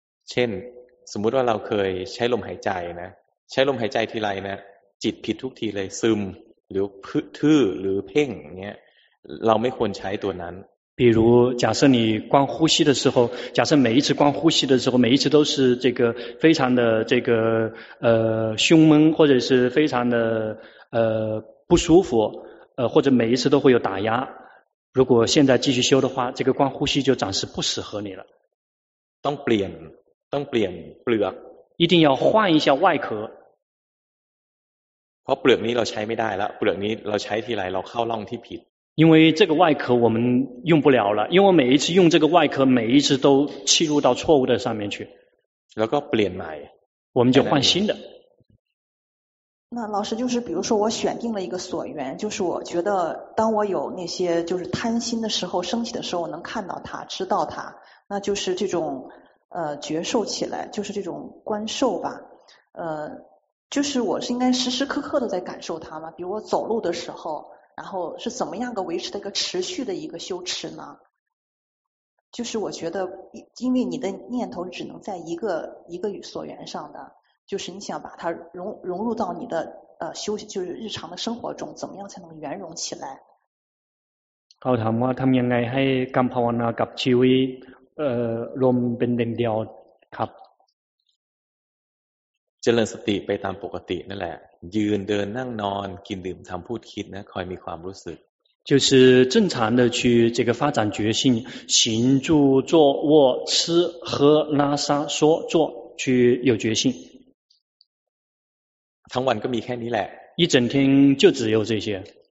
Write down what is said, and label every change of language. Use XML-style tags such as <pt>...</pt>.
<th>เช่นสมมติว่าเราเคยใช้ลมหายใจนะใช้ลมหายใจทีไรนะจิตผิดทุกทีเลยซึมหรือพึทื่อหรือเพ่งเนี่ยเราไม่ควรใช้ตัวนั้น</th> <zh>比如假设你观呼吸的时候假设每一次观呼吸的时候每一次都是这个非常的这个胸闷或者是非常的不舒服或者每一次都会有打压如果现在继续修的话这个观呼吸就暂时不适合你了</zh> <th>ต้องเปลี่ยนเปลือก</th> <zh>一定要换一下外壳</zh> <th>เพราะเปลือกนี้เราใช้ไม่ได้แล้วเปลือกนี้เราใช้ทีไรเราเข้าร่องที่ผิด</th> <zh>因为这个外壳我们用不了了因为每一次用这个外壳每一次都侵入到错误的上面去</zh> <th>แล้วก็เปลี่ยนใหม่</th> <zh>我们就换新的那老师就是比如说我选定了一个所缘就是我觉得当我有那些就是贪心的时候升起的时候我能看到它知道它那就是这种觉受起来就是这种观受吧就是我是应该时时刻刻的在感受它吗比如我走路的时候然后是怎么样个维持的一个持续的一个修持呢就是我觉得因为你的念头只能在一个所缘上的就是你想把它融入到你的休息就是日常的生活中怎么样才能圆融起来</zh> <th>เขาถามว่าทำยังไงให้การภาวนากับชีวิตรวมเป็นเดิมเดียวครับ เจริญสติไปตามปกตินั่นแหละยืนเดินนั่งนอนกินดื่มทำพูดคิดนะคอยมีความรู้สึก</th> <zh>就是正常的去这个发展觉性，行住坐卧吃喝拉撒说做去有觉性。</zh> <th>ทั้งวันก็มีแค่นี้แหละ</th> <zh>一整天就只有这些。</zh>